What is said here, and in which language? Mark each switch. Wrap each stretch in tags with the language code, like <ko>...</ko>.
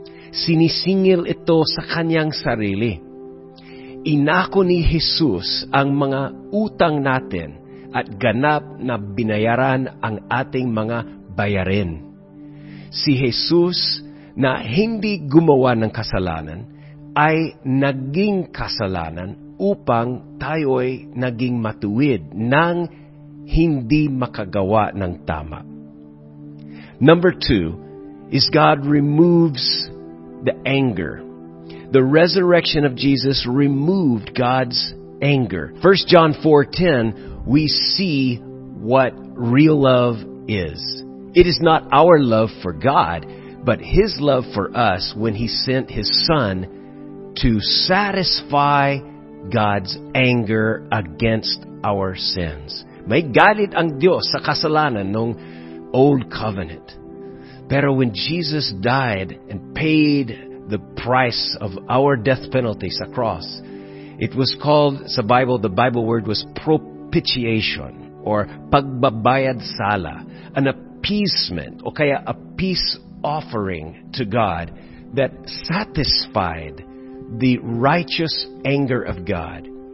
<tl>Sinisingil ito sa kanyang sarili. Inako ni Jesus ang mga utang natin at ganap na binayaran ang ating mga bayarin. Si Jesus na hindi gumawa ng kasalanan ay naging kasalanan upang tayo'y naging matuwid ng hindi makagawa ng tama.</tl> <en>Number two is God removes the anger. The resurrection of Jesus removed God's anger. 1 John 4:10, we see what real love is. It is not our love for God, but His love for us when He sent His Son to satisfy God's anger against our sins.</en> <tl>May galit ang Diyos sa kasalanan ng Old Covenant.</tl> <en>Pero when Jesus died and paid the price of our death penalty sa cross, it was called, sa Bible, the Bible word was propitiation or</en> <tl>pagbabayad sala,</tl> <en>an appeasement</en> <tl>o kaya</tl> <en>a peace offering to God that satisfied the righteous anger of God.</en>